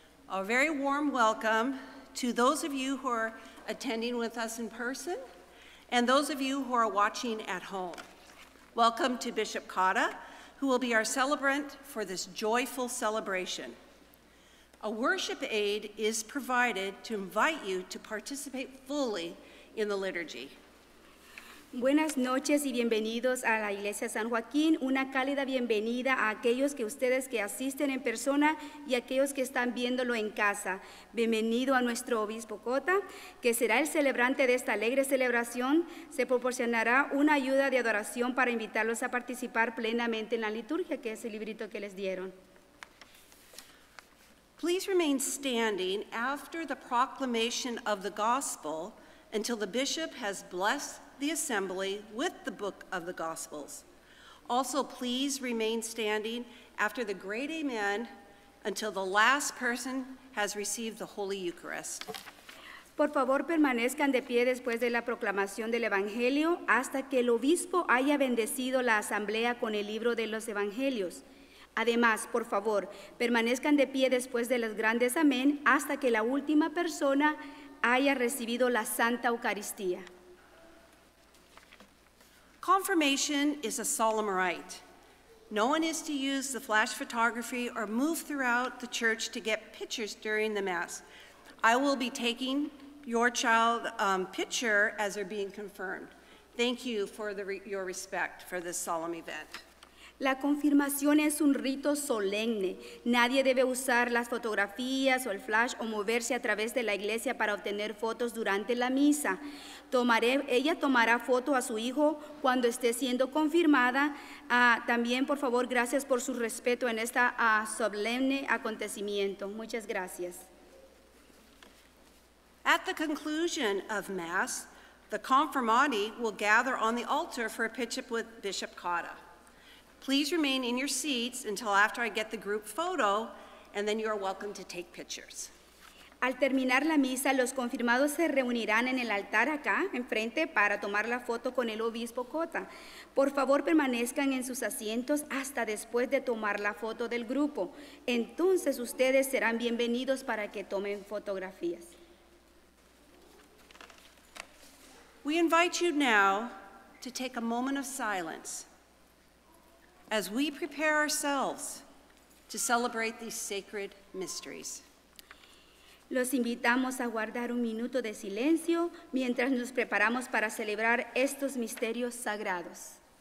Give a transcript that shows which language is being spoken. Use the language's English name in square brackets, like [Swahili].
[English] A very warm welcome to those of you who are attending with us in person and those of you who are watching at home. Welcome to Bishop Cotta, who will be our celebrant for this joyful celebration. A worship aid is provided to invite you to participate fully in the liturgy. [Spanish] Buenas noches y bienvenidos a la Iglesia San Joaquín. Una cálida bienvenida a aquellos que ustedes que asisten en persona y aquellos que están viéndolo en casa. Bienvenido a nuestro obispo Cotta, que será el celebrante de esta alegre celebración. Se proporcionará una ayuda de adoración para invitarlos a participar plenamente en la liturgia, que es el librito que les dieron. [English] Please remain standing after the proclamation of the gospel until the bishop has blessed the assembly with the book of the Gospels. Also, please remain standing after the great amen until the last person has received the Holy Eucharist. [Spanish] Por favor, permanezcan de pie después de la proclamación del Evangelio hasta que el obispo haya bendecido la asamblea con el libro de los Evangelios. Además, por favor, permanezcan de pie después de los grandes amén hasta que la última persona haya recibido la Santa Eucaristía. [English] Confirmation is a solemn rite. No one is to use the flash photography or move throughout the church to get pictures during the Mass. I will be taking your child picture as they're being confirmed. Thank you for your respect for this solemn event. [Spanish] La confirmación es un rito solemne. Nadie debe usar las fotografías o el flash o moverse a través de la iglesia para obtener fotos durante la misa. Ella tomará foto a su hijo cuando esté siendo confirmada. También, por favor, gracias por su respeto en este solemne acontecimiento. Muchas gracias. [English] At the conclusion of Mass, the confirmandi will gather on the altar for a picture with Bishop Cotta. Please remain in your seats until after I get the group photo, and then you are welcome to take pictures. [Spanish] Al terminar la misa, los confirmados se reunirán en el altar acá, enfrente, para tomar la foto con el obispo Cotta. Por favor, permanezcan en sus asientos hasta después de tomar la foto del grupo. Entonces, ustedes serán bienvenidos para que tomen fotografías. [English] We invite you now to take a moment of silence as we prepare ourselves to celebrate these sacred mysteries. [Spanish] Los invitamos a guardar un minuto de silencio mientras nos preparamos para celebrar estos misterios sagrados.